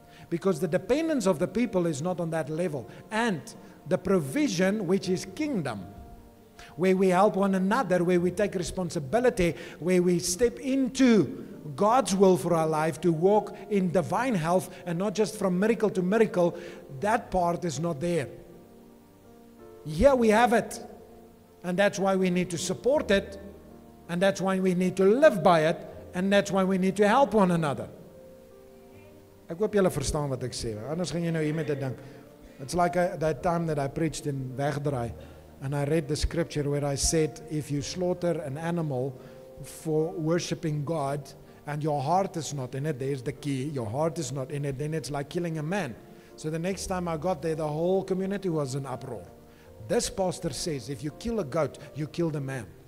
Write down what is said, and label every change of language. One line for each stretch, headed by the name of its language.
English: Because the dependence of the people is not on that level. And the provision, which is kingdom, where we help one another, where we take responsibility, where we step into God's will for our life to walk in divine health and not just from miracle to miracle, that part is not there. Yeah, we have it. And that's why we need to support it. And that's why we need to live by it. And that's why we need to help one another.
Afrikaans: Ek hoop julle verstaan wat ek sê. Anders gaan jy nou hier met dit dink.
English: It's like that time that I preached in Wegdraai. And I read the scripture where I said, if you slaughter an animal for worshiping God and your heart is not in it, there's the key, your heart is not in it, then it's like killing a man. So the next time I got there, the whole community was in uproar. This pastor says, if you kill a goat, you kill the man.